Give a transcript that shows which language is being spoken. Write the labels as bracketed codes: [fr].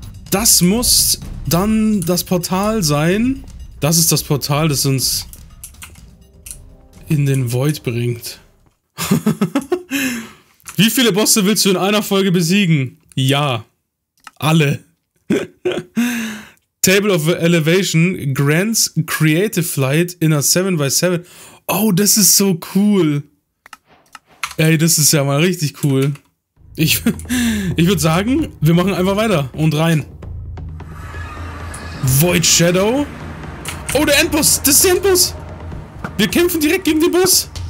[de] Das muss dann das Portal sein. Das ist das Portal, das uns in den Void bringt. Wie viele Bosse willst du in einer Folge besiegen? Ja, alle. [en] Table of Elevation grants Creative Flight in a 7x7. [de] Oh, das ist so cool. Ey, das ist ja mal richtig cool. Ich würde sagen, wir machen einfach weiter und rein. Void Shadow. Oh, der Endboss. Das ist der Endboss. Wir kämpfen direkt gegen den Boss.